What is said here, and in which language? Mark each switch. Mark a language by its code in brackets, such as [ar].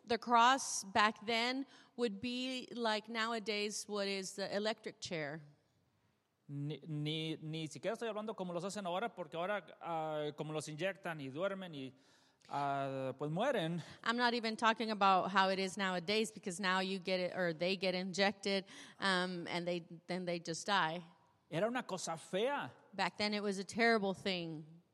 [en] The cross back then would be like nowadays what is the electric chair. [es] Ni siquiera estoy hablando como los hacen ahora, porque ahora como los inyectan y duermen y pues mueren. [en] I'm not even talking about how it is nowadays, because now you get it, or they get injected and then they just die. [es] Era una cosa fea. [en] Back then it was a terrible thing.